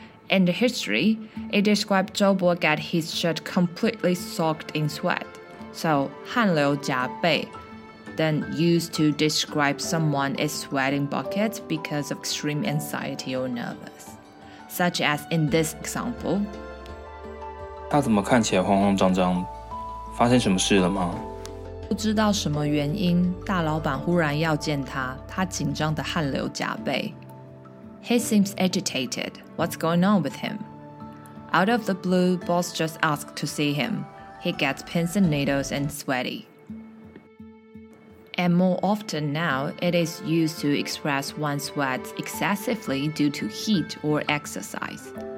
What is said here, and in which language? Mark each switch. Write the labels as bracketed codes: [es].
[en] In the history, it described Zhou Bo got his shirt completely soaked in sweat. So, 汗流浃背, then used to describe someone is sweating buckets because of extreme anxiety or nervous. Such as in this example. [zh] 他怎么看起来慌慌张张? 发生什么事了吗？不知道什么原因，大老板忽然要见他，他紧张的汗流浃背。 [en] He seems agitated. What's going on with him? Out of the blue, boss just asked to see him. He gets pins and needles and sweaty. And more often now, it is used to express one sweats excessively due to heat or exercise.